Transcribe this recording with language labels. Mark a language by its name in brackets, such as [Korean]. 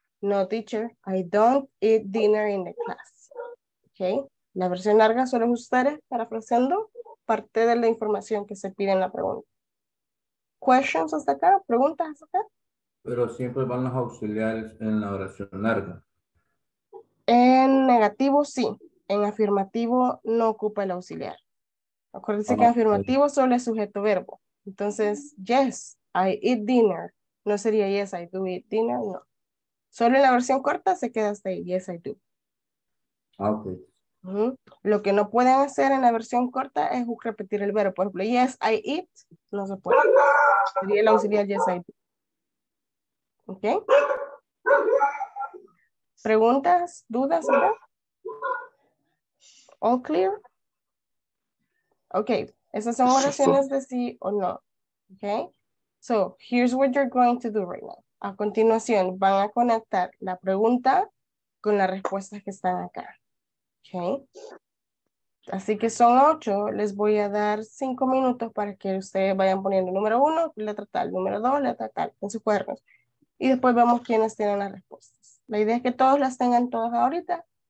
[English] No, teacher, I don't eat dinner in the class. ¿Okay? [Spanish] La versión larga solo es ustedes parafraseando parte de la información que se pide en la pregunta. ¿Questions hasta acá? ¿Preguntas hasta acá? Pero siempre van los auxiliares en la oración larga. En negativo, sí. En afirmativo, no ocupa el auxiliar. Acuérdense que en afirmativo solo es sujeto verbo. Entonces, [English] yes, I eat dinner. [Spanish] No sería [English] yes, I do eat dinner, [Spanish] no. Solo en la versión corta se queda hasta ahí, [English] yes, I do. Ok. [Spanish] Lo que no pueden hacer en la versión corta es repetir el verbo. Por ejemplo, [English] yes, I eat, [Spanish] no se puede. Sería el auxiliar [English] yes, I do. [Spanish] Ok. ¿Preguntas? ¿Dudas? ¿Verdad? [English] All clear? [Spanish] Okay, esas son oraciones de sí o no. [English] Okay, so here's what you're going to do right now. [Spanish] A continuación, van a conectar la pregunta con las respuestas que están acá. Okay, así que son 8. Les voy a dar 5 minutos para que ustedes vayan poniendo número 1, letra tal, número 2, letra tal, en sus cuadernos. Y después vemos quiénes tienen las respuestas. La idea es que todos las tengan todas ahorita.